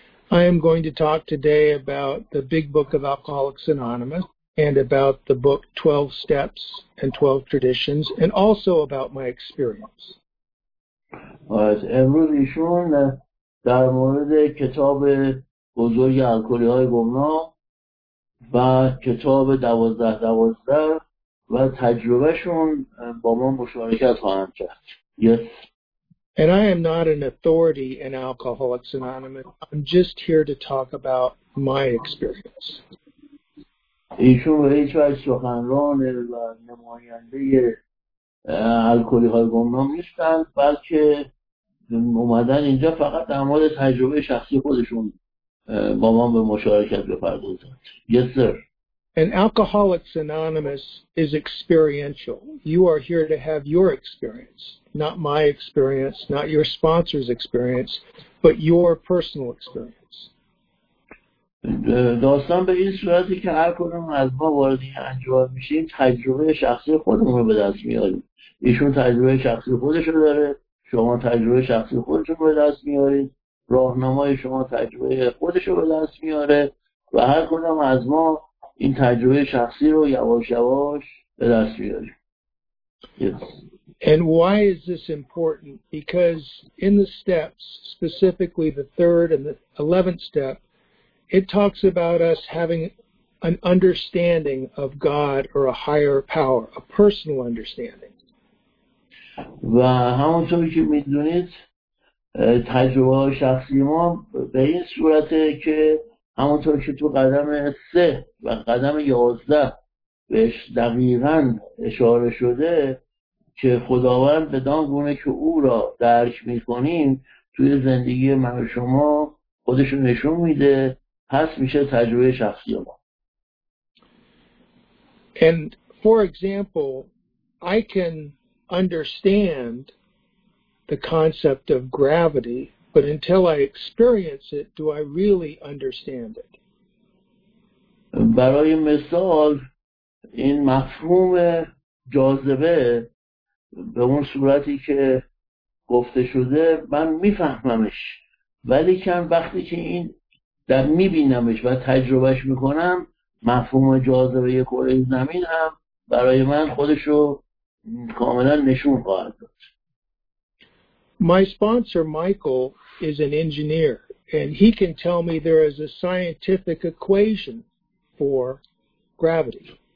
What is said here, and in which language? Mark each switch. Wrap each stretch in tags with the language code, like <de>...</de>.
<en>I am going to talk today about the big book of Alcoholics Anonymous and about the book 12 Steps and 12 Traditions, and also about my experience.</en> <fa>امروز ایشون در مورد کتاب بزرگ الکلی‌های گمنام و کتاب 12-12 و تجربهشون با ما مشارکت خواهند کرد.</fa> <en>Yes. And I am not an authority in Alcoholics Anonymous. I'm just here to talk about my experience.</en> <fa>ایشون به هیچ وجه سخنران و نماینده الکلی‌های گمنام نیستن، بلکه اومدن اینجا فقط در مورد تجربه شخصی خودشون با ما به مشارکت بپردازن.</fa> <en>Yes sir. And Alcoholics Anonymous is experiential. You are here to have your experience, not my experience, not your sponsor's experience, but your personal experience.</en> <fa>داستان به این صورتی که هر کدوم از ما وارد این انجمن میشیم، تجربه شخصی خودمون رو به دست میاریم. ایشون تجربه شخصی خودش رو داره، شما تجربه شخصی خودتون رو به دست میارید، راهنمای شما تجربه خودش رو به دست میاره و هر کدوم از ما این تجربه شخصی رو یواش یواش به دست میاریم.</fa> <en>Yes. And why is this important? Because in the steps, specifically the 3rd and the 11th step, it talks about us having an understanding of God or a higher power, a personal understanding.</en> <fa>و همونطور که میدونید تجربه شخصی ما به این صورته که همونطور که تو قدم 3 و قدم 11 بهش دقیقا اشاره شده، که خداوند بدان گونه که او را درک می کنیم توی زندگی من و شما خودش رو نشون میده، پس میشه تجربه شخصی ما.</fa> <en>And for example, I can understand the concept of gravity, but until I experience it, do I really understand it?</en> <fa>برای مثال این مفهوم جاذبه به اون صورتی که گفته شده من میفهممش، ولی که وقتی که این در میبینمش و تجربهش میکنم، مفهوم جاذبه کره زمین هم برای من خودش رو کاملا نشون خواهد داد.</fa> <en>My sponsor Michael is an engineer and he can tell me there is a scientific equation for gravity.</en>